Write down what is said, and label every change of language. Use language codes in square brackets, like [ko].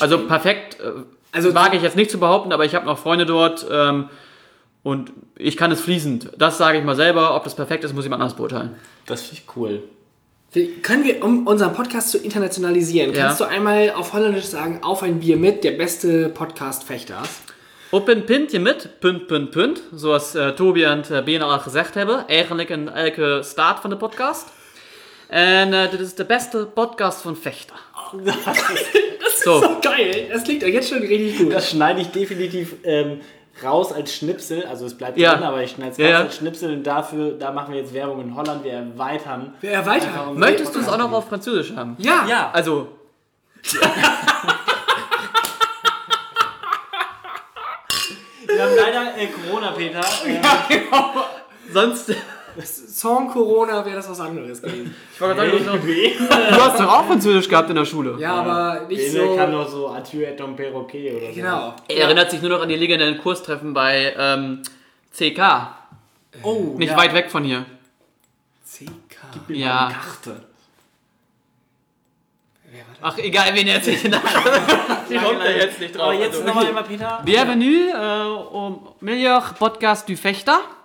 [de] Also perfekt also wage ich jetzt nicht zu behaupten, aber ich habe noch Freunde dort und ich kann es fließend. Das sage ich mal selber. Ob das perfekt ist, muss jemand anders beurteilen. Das finde ich cool. Können wir, um unseren Podcast zu internationalisieren, kannst du einmal auf Holländisch sagen, auf ein Bier mit, der beste Podcast-Fechter. [nl] Op een pintje met, punt, punt, punt. Zoals Tobi en Ben al gezegd hebben. Eigenlijk in elke start van de podcast. En dit is de beste podcast van Vechter. Dat is zo geil. Dat klinkt [de] jetzt schon richtig gut. [nl] Dat [de] schneide ich definitiv raus als Schnipsel. Also es bleibt drin, aber ich schneide es raus als Schnipsel. Und dafür, da machen wir jetzt Werbung in Holland. Wir erweitern. Möchtest du es auch noch auf Französisch haben? Ja. Ja. Also... Wir haben leider Corona, Peter. Ja, sonst... Song Corona wäre das was anderes gewesen. Ich wollte gerade sagen, du hast doch auch Französisch gehabt in der Schule. Ja, aber nicht Bene so... Bene kann doch so [fr] Adieu et ton perroquet [de] oder genau. So. Genau. Er erinnert sich nur noch an die legendären Kurstreffen bei CK. Oh, nicht weit weg von hier. CK? Gib mir mal eine Karte. Ach, egal, wen er sich nach. Die kommt da jetzt nicht drauf. Aber jetzt also, nochmal immer, Peter. [fr] Bienvenue au meilleur podcast du Fechter.